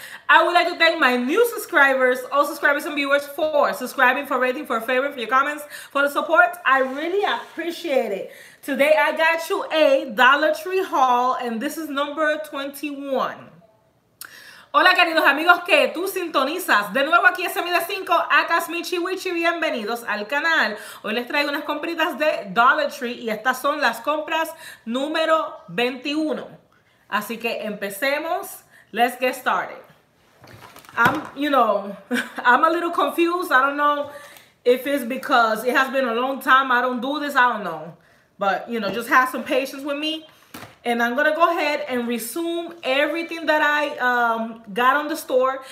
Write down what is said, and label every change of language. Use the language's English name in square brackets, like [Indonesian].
[English] I would like to thank my new subscribers, all subscribers and viewers, for subscribing, for rating, for favoring, for your comments, for the support. I really appreciate it. Today, I got you a Dollar Tree haul, and this is number 21. [Spanish] Hola, queridos amigos que tú sintonizas. De nuevo aquí es Semilla 5, acá es Michi Wichi. Bienvenidos al canal. Hoy les traigo unas compritas de Dollar Tree y estas son las compras número 21. Así que empecemos. [English] Let's get started. I'm a little confused. I don't know if it's because it has been a long time. I don't do this. I don't know. But, you know, just have some patience with me. And I'm gonna go ahead and resume everything that I got on the store.